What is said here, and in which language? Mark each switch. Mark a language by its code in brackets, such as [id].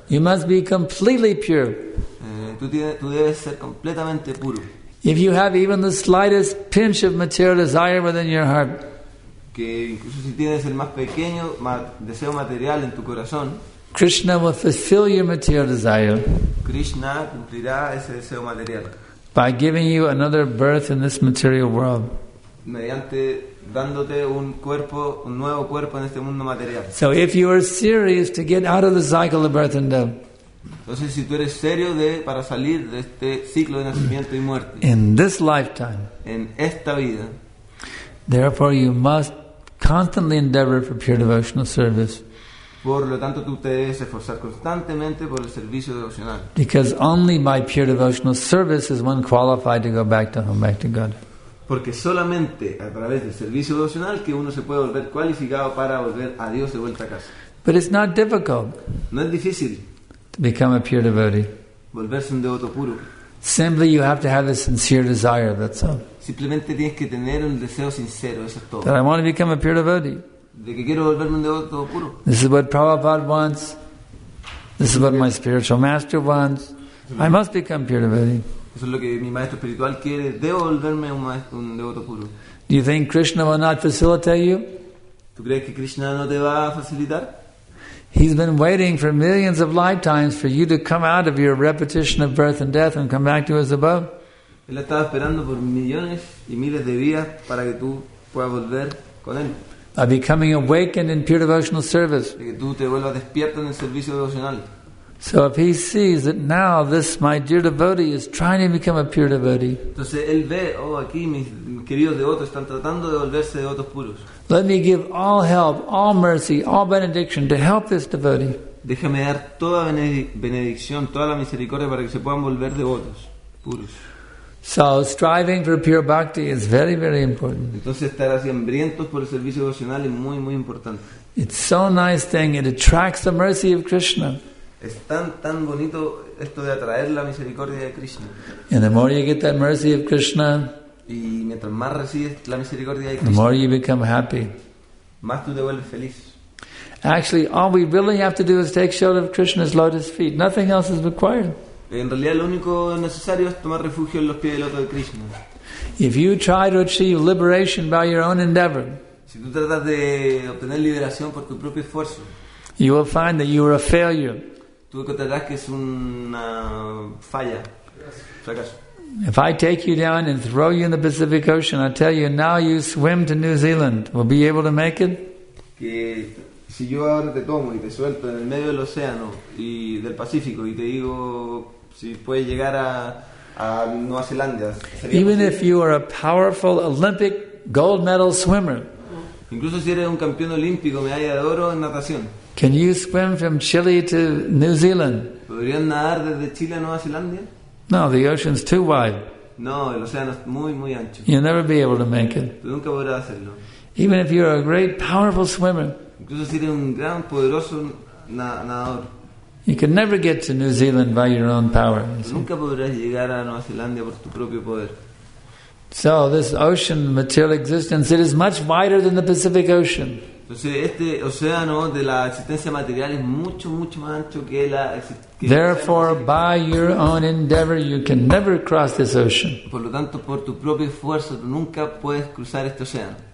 [en] you must be completely pure. [es] Tú debes ser completamente puro. [en] If you have even the slightest pinch of material desire within your heart, [es] que incluso si tienes el más pequeño deseo material en tu corazón, [en] Krishna will fulfill your material desire. [es] Krishna cumplirá ese deseo material. [en] By giving you another birth in this material world. [es] Mediante dándote un cuerpo, un nuevo cuerpo en este mundo material. [en] So if you are serious to get out of the cycle of birth and death. [es] Entonces si tú eres serio de para salir de este ciclo de nacimiento y muerte. [en] In this lifetime. [es] En esta vida. [en] Therefore you must constantly endeavor for pure devotional service. [es] Por lo tanto, tú te debes esforzar constantemente por el servicio devocional. [en] Because only by pure devotional service is one qualified to go back to home, back to God. [es] Porque solamente a través del servicio devocional que uno se puede volver cualificado para volver a Dios de vuelta a casa. [en] But it's not difficult. [es] No es difícil. [en] To become a pure devotee. [es] Volverse un devoto puro. [en] Simply, you have to have a sincere desire. That's all. [es] Simplemente tienes que tener un deseo sincero. Eso es todo. [en] That I want to become a pure devotee. [es] De que quiero volverme un devoto puro. [en] This is what Prabhupada wants. This is what my spiritual master wants. I must become pure devotee. [es] Eso es lo que mi maestro espiritual quiere. Debo volverme un devoto puro. [en] Do you think Krishna will not facilitate you? [es] ¿Tú crees que Krishna no te va a facilitar? [en] He's been waiting for millions of lifetimes for you to come out of your repetition of birth and death and come back to us above. [es] Él estaba esperando por millones y miles de vidas para que tú puedas volver con él. [en] By becoming awakened in pure devotional service. [es] Y que tú te vuelvas despierto en el servicio devocional. [en] So if he sees that now this my dear devotee is trying to become a pure devotee. [es] Entonces él ve, oh, aquí mis queridos devotos están tratando de volverse devotos puros. [en] Let me give all help, all mercy, all benediction to help this devotee. [es] Déjame dar toda benedicción, toda la misericordia para que se puedan volver devotos puros. [en] So striving for pure bhakti is very, very important. [es] Entonces estar así hambrientos por el servicio devocional es muy, muy importante. [en] It's so nice thing. It attracts the mercy of Krishna. [es] Es tan bonito esto de atraer la misericordia de Krishna. [en] And the more you get that mercy of Krishna, [es] y mientras más recibes la misericordia de Krishna, [en] the more you become happy. [es] Más tú te vuelves feliz. [en] Actually, all we really have to do is take shelter of Krishna's lotus feet. Nothing else is required. [es] En realidad, lo único necesario es tomar refugio en los pies del loto de Krishna. [en] If you try to achieve liberation by your own endeavor, [es] si tú tratas de obtener liberación por tu propio esfuerzo, [en] you will find that you are a failure. [es] Tú encontrarás que es una falla, fracaso. [en] If I take you down and throw you in the Pacific Ocean, I tell you now you swim to New Zealand. Will be able to make it? [es] Que si yo ahora te tomo y te suelto en el medio del océano y del Pacífico y te digo si puedes llegar a Nueva Zelanda. [en] Even if you are a powerful Olympic gold medal swimmer. [es] Incluso si eres un campeón olímpico, medalla de oro en natación. [en] Can you swim from Chile to New Zealand? [es] ¿Podrían nadar desde Chile a Nueva Zelanda? [en] No, the ocean's too wide. [es] No, el océano es muy, muy ancho. [en] You'll never be able to make it. [es] Tú nunca podrás hacerlo. [en] Even if you're a great, powerful swimmer, [es] incluso si eres un gran, poderoso nadador, [en] you can never get to New Zealand by your own power. [es] Nunca podrás llegar a Nueva Zelanda por tu propio poder. [en] So this ocean, material existence, it is much wider than the Pacific Ocean. [es] Entonces este océano de la existencia material es mucho, mucho más ancho que la existencia. [en] Therefore, by your own endeavor, you can never cross this ocean. [es] Por lo tanto, por tu propio esfuerzo, tú nunca puedes cruzar este océano.